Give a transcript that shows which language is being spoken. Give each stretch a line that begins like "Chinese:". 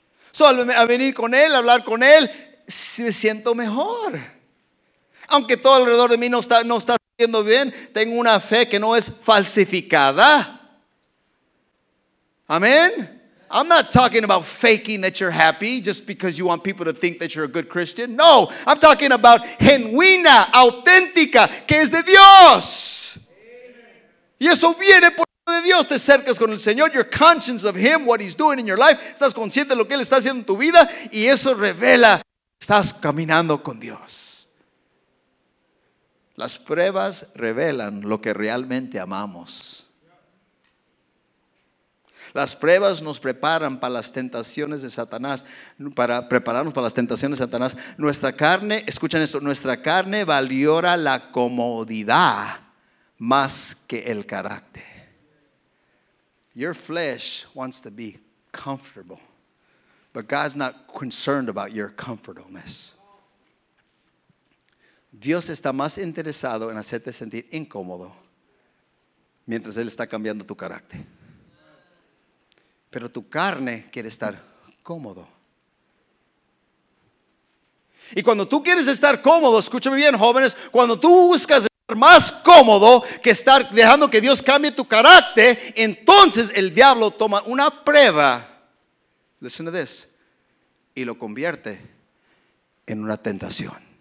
Spanish: So, al venir con Él, hablar con Él, me siento mejor. Aunque todo alrededor de mí no está siendo bien, tengo una fe que no es falsificada. Amén.
English: I'm not talking about faking that you're happy just because you want people to think that you're a good Christian. No, I'm talking about
Spanish: genuina, auténtica, que es de Dios. Y eso viene por de Dios. Te acercas con el Señor,
English: you're conscious of Him, what He's doing in your life.
Spanish: Estás consciente de lo que Él está haciendo en tu vida, y eso revela que estás caminando con Dios. Las pruebas revelan lo que realmente amamos. Las pruebas nos preparan para las tentaciones de Satanás, para prepararnos para las tentaciones de Satanás. Nuestra carne, escuchen esto, nuestra carne valora la comodidad más que el carácter.
English: Your flesh wants to be comfortable, but God's not concerned about your comfortableness.
Spanish: Dios está más interesado en hacerte sentir incómodo mientras Él está cambiando tu carácter. Pero tu carne quiere estar cómodo. Y cuando tú quieres estar cómodo, escúchame bien, jóvenes, cuando tú buscas estar más cómodo que estar dejando que Dios cambie tu carácter, entonces el diablo toma una prueba,
English: listen to this,
Spanish: y lo convierte en una tentación.